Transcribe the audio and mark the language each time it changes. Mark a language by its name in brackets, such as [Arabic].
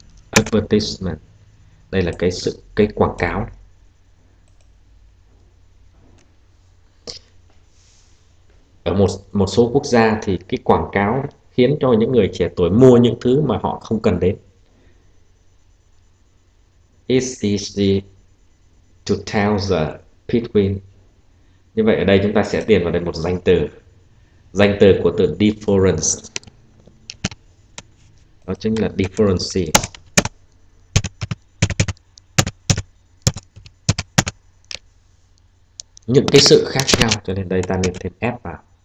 [Vietnamese] Advertisement. Đây là cái sự cái quảng cáo. Ở một một số quốc gia thì cái quảng cáo khiến cho những người trẻ tuổi mua những thứ mà họ không cần đến. [English] It's easy to tell the between. [Vietnamese] Như vậy ở đây chúng ta sẽ điền vào đây một danh từ. Danh từ của từ difference. Đó chính là difference. Những cái sự khác nhau cho nên đây ta nên thêm F vào.